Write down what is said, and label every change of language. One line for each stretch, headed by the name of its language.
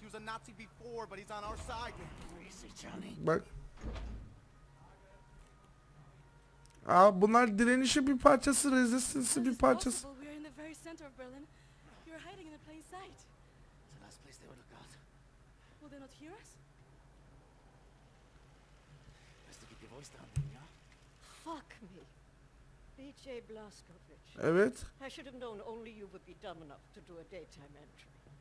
English: He was a Nazi before, but he's on our side.
Turkish: Bak. Aa, bunlar direnişin bir parçası,
English: resistance'ın
Turkish: bir parçası.
English: We're in the very center of Berlin. You're hiding in a plain sight. It's the last place they would look out. Will they not hear us? Best to keep your voice down, Anya. Fuck me. BJ Blaskovich.
Turkish: Evet.
English: I should have known only you would be dumb enough to do a daytime entry.